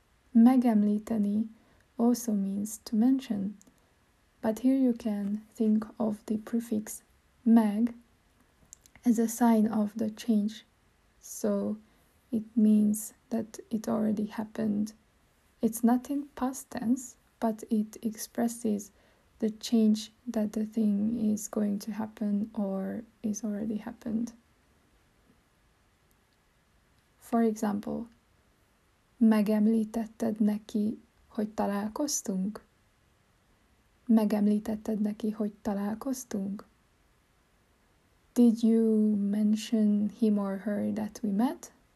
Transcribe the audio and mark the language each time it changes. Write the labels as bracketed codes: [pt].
[en] Megemlíteni also means to mention, but here you can think of the prefix meg as a sign of the change. So it means that it already happened. It's not in past tense, but it expresses the change that the thing is going to happen or is already happened. For example, [hu] megemlítetted neki, hogy találkoztunk? Megemlítetted neki, hogy találkoztunk? [en] Did you mention him or her that we met?